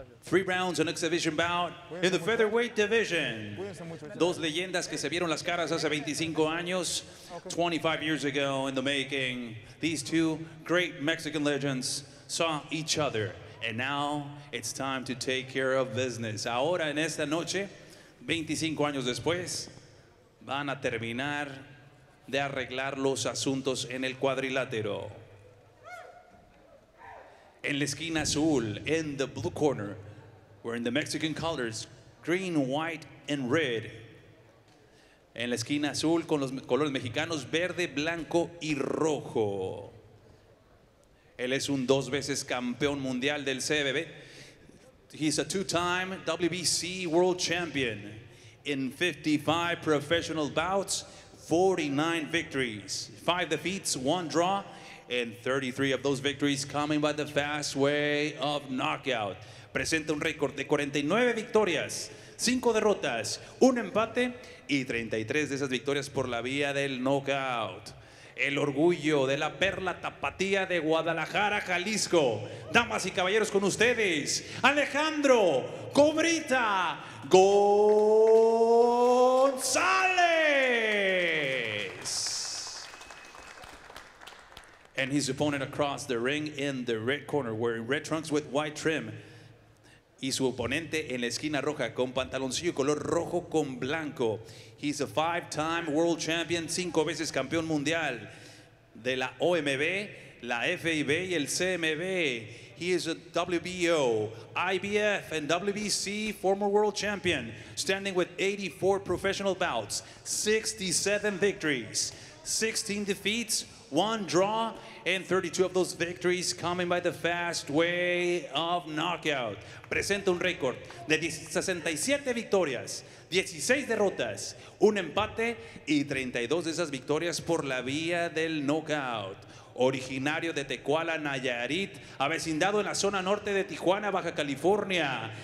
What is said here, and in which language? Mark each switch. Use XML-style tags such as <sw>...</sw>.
<en>3 rounds on exhibition bout in the featherweight division.</en> <es>Dos leyendas que se vieron las caras hace 25 años.</es> <en>25 years ago in the making, these two great Mexican legends saw each other. And now it's time to take care of business.</en> <es>Ahora en esta noche, 25 años después, van a terminar de arreglar los asuntos en el cuadrilátero. En la esquina azul,</es> <en>in the blue corner, we're in the Mexican colors, green, white, and red.</en> <es>En la esquina azul, con los colores mexicanos, verde, blanco y rojo. Él es un 2 veces campeón mundial del CBB.</es> <en>He's a 2-time WBC world champion. In 55 professional bouts, 49 victories, 5 defeats, 1 draw, and 33 of those victories coming by the fast way of knockout.</en> <es>Presenta un récord de 49 victorias, 5 derrotas, 1 empate y 33 de esas victorias por la vía del knockout. El orgullo de la perla tapatía de Guadalajara, Jalisco. Damas y caballeros, con ustedes, Alejandro Cobrita González.</es> <en>And his opponent across the ring in the red corner, wearing red trunks with white trim.</en> <es>Y su oponente en la esquina roja con pantaloncillo color rojo con blanco.</es> <en>He's a 5-time world champion,</en> <es>5 veces campeón mundial de la OMB, la FIB y el CMB.</es> <en>He is a WBO, IBF and WBC former world champion, standing with 84 professional bouts, 67 victories, 16 defeats, 1 draw, and 32 of those victories coming by the fast way of knockout.</en> <es>Presenta un récord de 67 victorias, 16 derrotas, un empate y 32 de esas victorias por la vía del knockout. Originario de Tecuala, Nayarit, avecindado en la zona norte de Tijuana, Baja California.</es>